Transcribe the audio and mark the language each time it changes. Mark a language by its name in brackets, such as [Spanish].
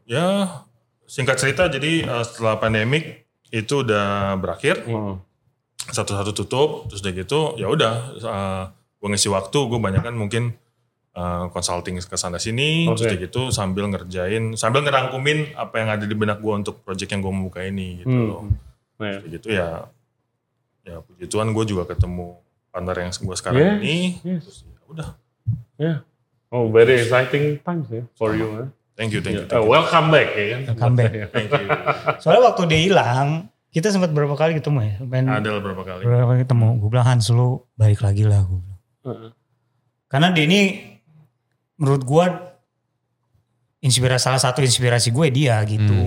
[Indonesian] Ya singkat cerita jadi setelah pandemik itu udah berakhir, satu-satu tutup terus udah gitu ya udah gua ngisi waktu gua banyak kan mungkin consulting kesana sini, terus kayak gitu sambil ngerjain, sambil ngerangkumin apa yang ada di benak gue untuk project yang gue mau buka ini gitu loh. Kayak gitu ya puji Tuhan gue juga ketemu partner yang gue sekarang ini. [English] Yes. [Indonesian] Terus ya udah. Yeah. [English] Oh very exciting times ya for you. Thank you. Welcome back ya kan. Welcome back. Thank you. [Indonesian] Soalnya waktu dia hilang, kita sempat berapa kali ketemu ya? Berapa kali ketemu. Gue bilang Hans lu balik lagi lah gue bilang. Karena dia ini menurut gue salah satu inspirasi gue dia gitu.